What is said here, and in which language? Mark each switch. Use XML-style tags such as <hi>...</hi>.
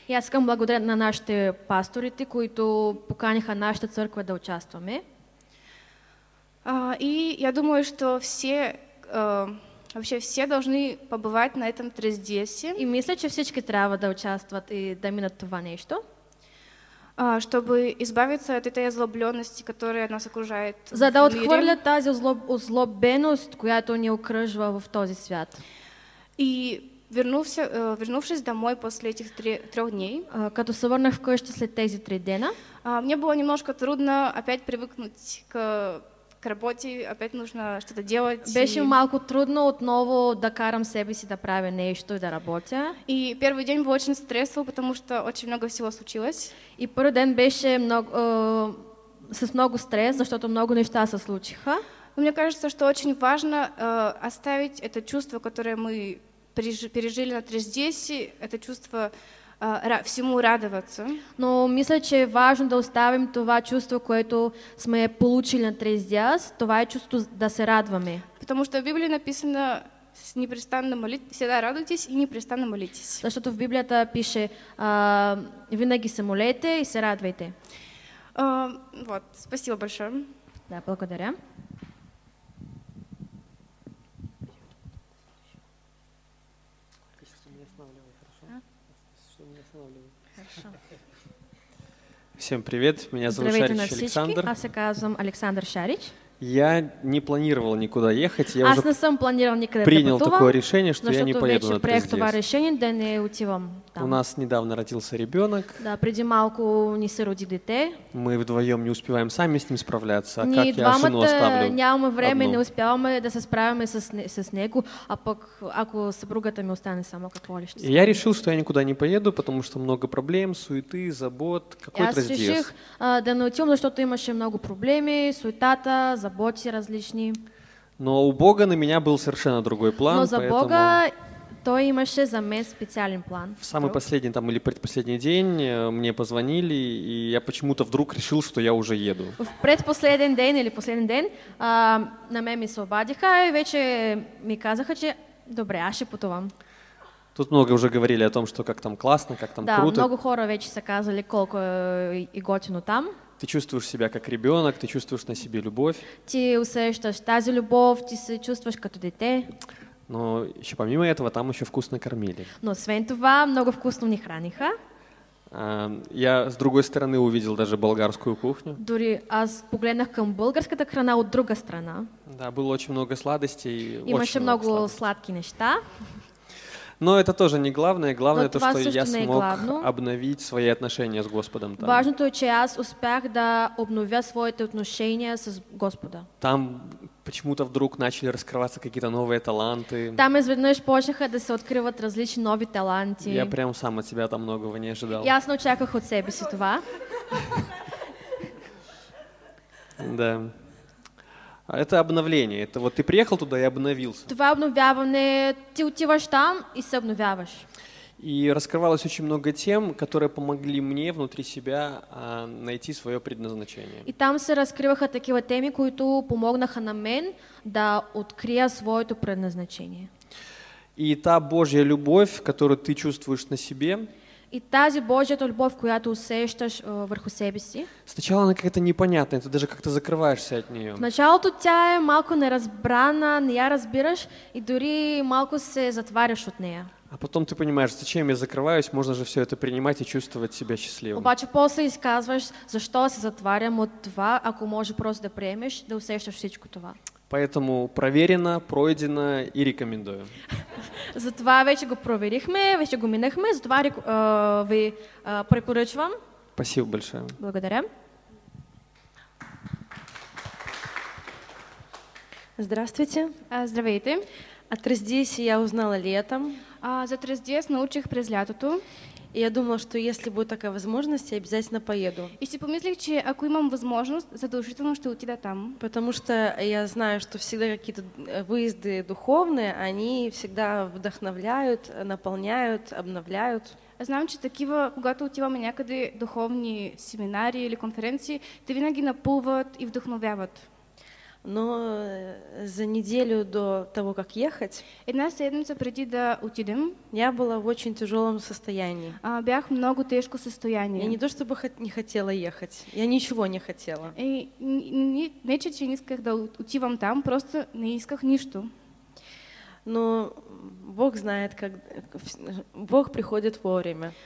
<bg>Я искам благодаря на нашите пасторите, които поканиха нашата църква да участваме.</bg> <ru>И я думаю, что все должны побывать на этом трездесе.</ru> <bg>И мисля, че всички трябва да участват и да минат това нещо.</bg> <ru>Чтобы избавиться от этой озлобленности, которая нас окружает.</ru> <bg>За да отхвърля тази озлобеност, която ни окръжва в този свят.</bg> <ru>И вернувшись домой после этих трех дней.</ru> <bg>Като се върнах вкъщи след тези три дена.</bg> <ru>Мне было немножко трудно опять привыкнуть к работе, опять нужно что-то делать.</ru> <bg>Беше малко трудно отново да карам себе си да правя нещо и да работя.</bg> <ru>И первый день был очень стрессовый, потому что очень много всего случилось.</ru> <bg>И първи ден беше с много стрес, защото много неща се случиха.</bg> <ru>Но мне кажется, что очень важно оставить это чувство, которое мы пережили на трездесе, это чувство всему радоваться.</ru> <bg>Но мисля, че е важно да оставим това чувство, което сме получили на трездес, това е чувство да се радваме.</bg> <ru>Потому что в Библии написано всегда радуйтесь и непрестанно молитесь.</ru> <bg>Защото в Библията пише винаги се молете и се радвайте.</bg> <ru>Вот, спасибо большое.</ru> <bg>Да, благодаря.</bg> <ru>Всем привет, меня зовут Шарич Александр. Здравствуйте, Александр Шарич. Я не планировал никуда ехать. Я уже планировал никогда принял потом, такое решение, что я не поеду на трезвец. У нас недавно родился ребенок.</ru> <bg>Да, придималку не сыроди детей.</bg> <ru>Мы вдвоем не успеваем сами с ним справляться. А как я жену оставлю?</ru> <bg>Нямо время, не успеваем да се справиме со снегу, а пак ако съпругата ми остане само какво ли ще.</bg> <ru>Я решил, что я никуда не поеду, потому что много проблем, суеты, забот. Какой трезвец?</ru> <bg>Я реших да не отивам, защото имаше много проблеми, суетата, заботи различни.</bg> <ru>Но у Бога на меня был совершенно другой план.</ru> <bg>Но за Бога той имаше за мен специален план.</bg> <ru>В самый последний там или предпоследний день мне позвонили, и я почему-то вдруг решил, что я уже еду.</ru> <bg>В предпоследен день или последен день на мен ми се обадиха и вече ми казаха, че добре, аз ще путувам.</bg> <ru>Тут много уже говорили о том, что как там классно, как там да, круто.</ru> <bg>Да, много хора вече са казали колко и готино там.</bg> <ru>Ты чувствуешь себя как ребенок, ты чувствуешь на себе любовь.</ru> <bg>Ти усещаш тази любов, ти се чувствуешь като дете.</bg> <ru>Но еще помимо этого там еще вкусно кормили.</ru> <bg>Но освен това много вкусно ни храниха.</bg> <ru>Я с другой стороны увидел даже болгарскую кухню.</ru> <bg>Дори аз погледнах към българската храна от друга страна.</bg> <ru>Да, было очень много сладостей.</ru> <bg>Имаше много сладки неща.</bg> <ru>Но это тоже не главное. Главное то, что я смог обновить свои отношения с Господом там.</ru> <bg>Важно то, че аз успях да обновя своите отношения с Господа.</bg> <ru>Там почему-то вдруг начали раскрываться какие-то новые таланты.</ru> <bg>Там изведнъж почнаха да се откриват различни нови таланти.</bg> <ru>Я прям сам от себя там многого не ожидал.</ru> <bg>Ясно очаках от себе си това.</bg> <ru>Да. Это обновление. Это вот ты приехал туда и обновился.</ru> <bg>Това обновяване. Ти отиваш там и се обновяваш.</bg> <ru>И раскрывалось очень много тем, которые помогли мне внутри себя найти свое предназначение.</ru> <bg>И там се раскрываха такива теми, които помогнаха на мен да открия своето предназначение.</bg> <ru>И та Божья любовь, которую ты чувствуешь на себе.</ru> <bg>И тази Божията любов, която усещаш върху себе си.</bg> <ru>Сначала она какая-то непонятная, ты даже как-то закрываешься от нее.</ru> <bg>В началото тя е малко неразбрана, не я разбираш и дори малко се затваряш от нея.</bg> <ru>А потом ты понимаешь, зачем я закрываюсь, можно же все это принимать и чувствовать себя счастливым.</ru> <bg>Обаче после изказваш, защо се затварям от това, ако може просто да приемеш, да усещаш всичко това.</bg> <ru>Поэтому проверено, пройдено и рекомендую.</ru> <bg>Затова вече го проверихме, вече го минахме, затова ви препоръчвам.</bg> <ru>Спасибо большое.</ru> <bg>Благодаря.</bg> <ru>Здравствуйте.</ru> <bg>Здравейте.</bg> <ru>А Трездиес я узнала летом.</ru> <bg>За Трездиес научих през лятото.</bg> <ru>И я думала, что если будет такая возможность, я обязательно поеду.</ru> <bg>И си помислих, че ако имам возможность, задолжително ще отида там.</bg> <ru>Потому что я знаю, что всегда какие-то выезды духовные, они всегда вдохновляют, наполняют, обновляют.</ru> <bg>Знам, че такива, когато отиваме някъде духовни семинари или конференции, те винаги напълват и вдохновяват.</bg> <ru>Но за неделю до того, как ехать,</ru> <bg>една седмица преди да отидем,</bg> <ru>я была в очень тяжелом состоянии.</ru> <bg>Бях много тежко состояние.</bg> <ru>Я не то чтобы не хотела ехать, я ничего не хотела.</ru> <bg>И не исках да отивам там, просто не исках ничто.</bg> <ru>Но Бог знает, как Бог приходит вовремя.</ru>